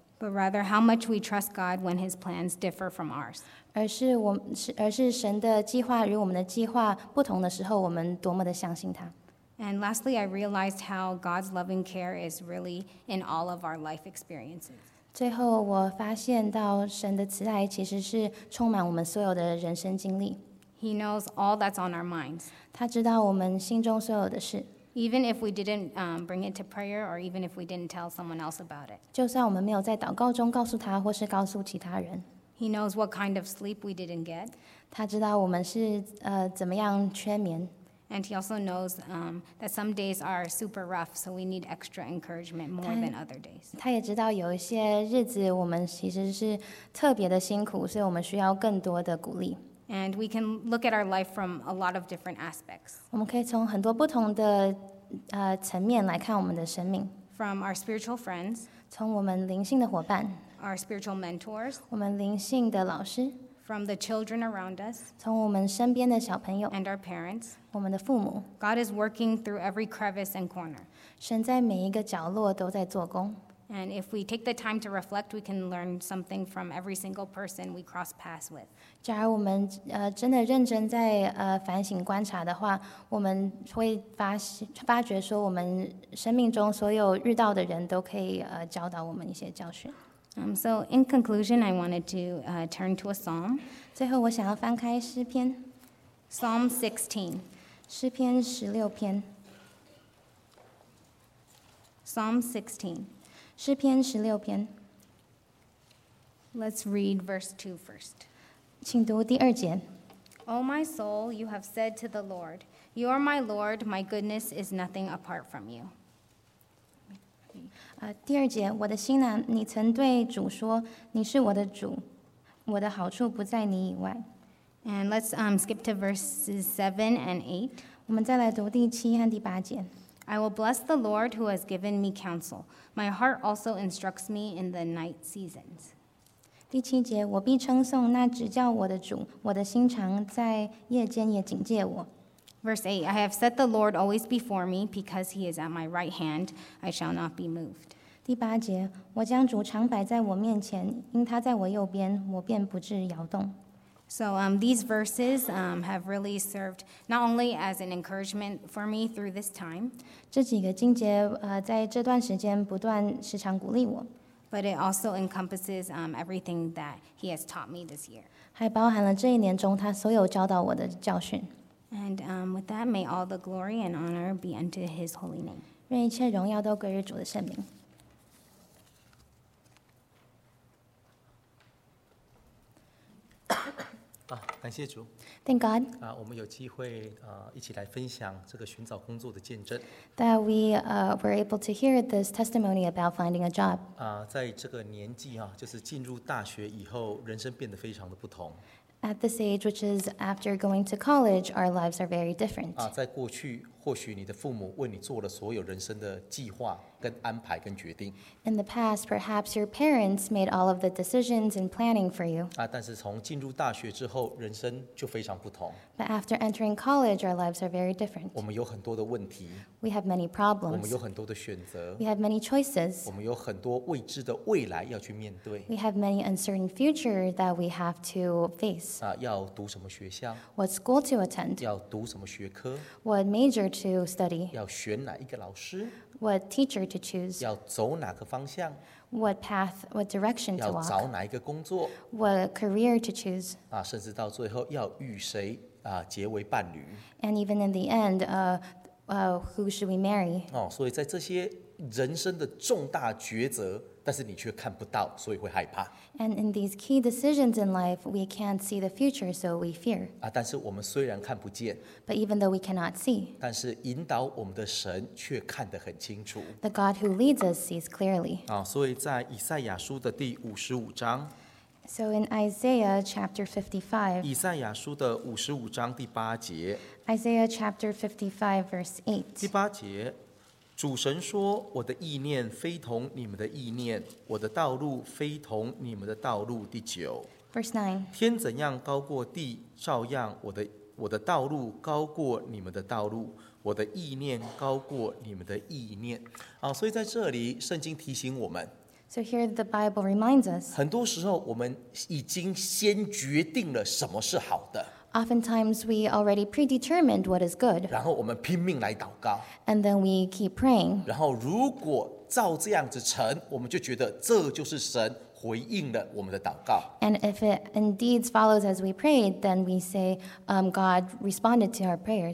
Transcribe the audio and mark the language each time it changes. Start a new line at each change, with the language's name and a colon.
English: But rather how much we trust God when His plans differ from ours.
Chinese: 而是神的计划与我们的计划不同的时候，我们多么的相信他。
English: And lastly, I realized how God's loving care is really in all of our life experiences.
Chinese: 最后我发现到神的慈爱其实是充满我们所有的人生经历。
English: He knows all that's on our minds.
Chinese: 他知道我们心中所有的事。
English: Even if we didn't bring it to prayer or even if we didn't tell someone else about it.
Chinese: 就算我们没有在祷告中告诉他或是告诉其他人。
English: He knows what kind of sleep we didn't get.
Chinese: 他知道我们是怎么样缺眠。
English: And he also knows that some days are super rough, so we need extra encouragement more than other days.
Chinese: 他也知道有一些日子我们其实是特别的辛苦，所以我们需要更多的鼓励。
English: And we can look at our life from a lot of different aspects.
Chinese: 我们可以从很多不同的层面来看我们的生命。
English: From our spiritual friends.
Chinese: 从我们灵性的伙伴。
English: Our spiritual mentors.
Chinese: 我们灵性的老师。
English: From the children around us.
Chinese: 从我们身边的小朋友。
English: And our parents.
Chinese: 我们的父母。
English: God is working through every crevice and corner.
Chinese: 神在每一个角落都在做工。
English: And if we take the time to reflect, we can learn something from every single person we cross paths with.
Chinese: 假如我们真的认真在反省观察的话，我们会发觉说，我们生命中所有遇到的人都可以教导我们一些教训。
English: So in conclusion, I wanted to turn to a psalm.
Chinese: 最后我想要翻开诗篇。
English: Psalm 16.
Chinese: 诗篇十六篇。
English: Psalm 16.
Chinese: 诗篇十六篇。
English: Let's read verse 2 first.
Chinese: 请读第二节。
English: O my soul, you have said to the Lord, You are my Lord, my goodness is nothing apart from you.
Chinese: 第二节，我的心啊，你曾对主说，你是我的主，我的好处不在你以外。
English: And let's skip to verses 7 and 8.
Chinese: 我们再来读第七和第八节。
English: I will bless the Lord who has given me counsel. My heart also instructs me in the night seasons.
Chinese: 第七节，我必称颂那指教我的主，我的心常在夜间也警戒我。
English: Verse 8, I have set the Lord always before me, because he is at my right hand, I shall not be moved.
Chinese: 第八节，我将主常摆在我面前，因他在我右边，我便不致摇动。
English: So these verses have really served not only as an encouragement for me through this time,
Chinese: 这几个经节在这段时间不断时常鼓励我，
English: but it also encompasses everything that he has taught me this year.
Chinese: 还包含了这一年中他所有教导我的教训。
English: And with that, may all the glory and honor be unto his holy name.
Chinese: 愿一切荣耀都归于主的圣名。感谢主。
English: Thank God.
Chinese: 我们有机会一起来分享这个寻找工作的见证。
English: That we were able to hear this testimony about finding a job.
Chinese: 在这个年纪就是进入大学以后，人生变得非常的不同。
English: At this age, which is after going to college, our lives are very different.
Chinese: 在过去，或许你的父母为你做了所有人生的计划、跟安排、跟决定。
English: In the past, perhaps your parents made all of the decisions and planning for you.
Chinese: 但是从进入大学之后，人生就非常不同。
English: But after entering college, our lives are very different.
Chinese: 我们有很多的问题。
English: We have many problems.
Chinese: 我们有很多的选择。
English: We have many choices.
Chinese: 我们有很多未知的未来要去面对。
English: We have many uncertain future that we have to face.
Chinese: 要读什么学校？
English: What school to attend?
Chinese: 要读什么学科？
English: What major to study?
Chinese: 要选哪一个老师？
English: What teacher to choose?
Chinese: 要走哪个方向？
English: What path, what direction to walk?
Chinese: 要找哪一个工作？
English: What career to choose?
Chinese: 甚至到最后要与谁结为伴侣？
English: And even in the end, who should we marry?
Chinese: 所以在这些人生的重大抉择但是你却看不到，所以会害怕。
English: And in these key decisions in life, we can't see the future, so we fear.
Chinese: 啊，但是我们虽然看不见
English: ，But even though we cannot see,
Chinese: 但是引导我们的神却看得很清楚。
English: The God who leads us sees clearly.
Chinese: 啊，所以在以赛亚书的第五十五章。
English: So in Isaiah chapter 55,
Chinese: 以赛亚书的五十五章第八节
English: ，Isaiah chapter 55 verse 8,
Chinese: 第八节，主神说：“我的意念非同你们的意念，我的道路非同你们的道路。” 第九
English: ，verse 9,
Chinese: 天怎样高过地，照样我的道路高过你们的道路，我的意念高过你们的意念。啊，所以在这里，圣经提醒我们。
English: So here the Bible reminds us.
Chinese: 很多时候我们已经先决定了什么是好的。
English: Oftentimes we already predetermined what is good.
Chinese: 然后我们拼命来祷告。
English: And then we keep praying.
Chinese: 然后如果照这样子成，我们就觉得这就是神回应了我们的祷告。
English: And if it indeed follows as we prayed, then we say, God responded to our prayers.